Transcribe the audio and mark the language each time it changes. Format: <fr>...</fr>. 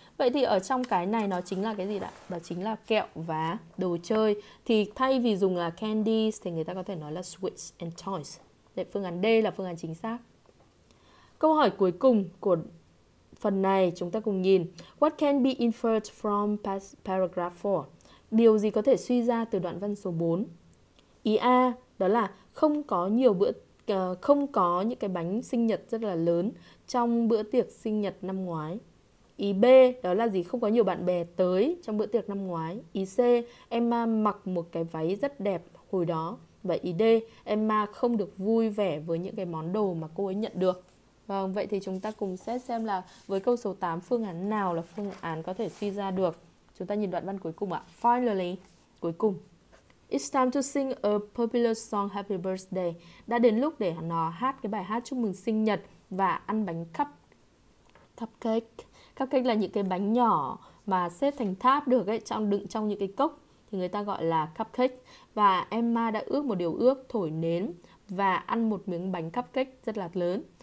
<vi>Vậy thì ở trong cái này nó chính là cái gì ạ? Đó chính là kẹo và đồ chơi. Thì thay vì dùng là candies thì người ta có thể nói là</vi> <en>sweets and toys.</en> <vi>Để phương án D là phương án chính xác. Câu hỏi cuối cùng của phần này chúng ta cùng nhìn.</vi> <en>What can be inferred from paragraph 4?</en> <vi>Điều gì có thể suy ra từ đoạn văn số 4? Ý A đó là không có nhiều bữa không có những cái bánh sinh nhật rất là lớn trong bữa tiệc sinh nhật năm ngoái. Ý B đó là gì? Không có nhiều bạn bè tới trong bữa tiệc năm ngoái. Ý C, Emma mặc một cái váy rất đẹp hồi đó. Và ý D, Emma không được vui vẻ với những cái món đồ mà cô ấy nhận được. Vâng, vậy thì chúng ta cùng xem là với câu số 8, phương án nào là phương án có thể suy ra được. Chúng ta nhìn đoạn văn cuối cùng ạ.</vi> <en>Finally,</en> <vi>cuối cùng.</vi> <en>It's time to sing a popular song Happy Birthday.</en> <vi>Đã đến lúc để nó hát cái bài hát chúc mừng sinh nhật và ăn bánh cupcake. Cupcake là những cái bánh nhỏ mà xếp thành tháp được ấy, trong đựng trong những cái cốc thì người ta gọi là cupcake. Và Emma đã ước một điều ước, thổi nến và ăn một miếng bánh cupcake rất là lớn.</vi>